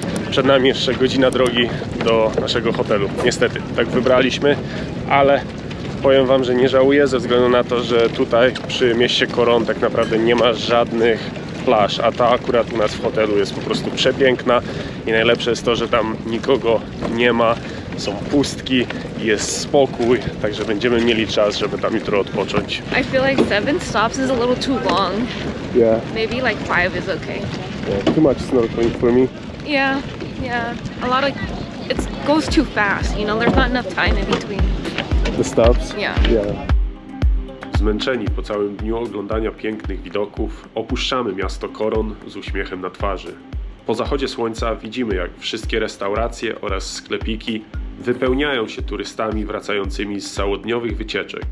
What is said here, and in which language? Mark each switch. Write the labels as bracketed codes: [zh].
[pl] Przed nami jeszcze godzina drogi do naszego hotelu. Niestety, tak wybraliśmy, ale powiem wam, że nie żałuję, ze względu na to, że tutaj przy mieście Koron tak naprawdę nie ma żadnych plaż, a ta akurat u nas w hotelu jest po prostu przepiękna i najlepsze jest to, że tam nikogo nie ma. Są pustki, jest spokój, także będziemy mieli czas, żeby tam jutro odpocząć. [en] I feel like 7 stops is a little too long. Yeah. Maybe like 5 is okay. Yeah, too much snorkeling for me. Yeah, yeah. A lot of... It goes too fast, you know? There's not enough time in between. The stops? Yeah. Yeah. [pl] Zmęczeni po całym dniu oglądania pięknych widoków, opuszczamy miasto Koron z uśmiechem na twarzy. Po zachodzie słońca widzimy, jak wszystkie restauracje oraz sklepiki wypełniają się turystami wracającymi z całodniowych wycieczek.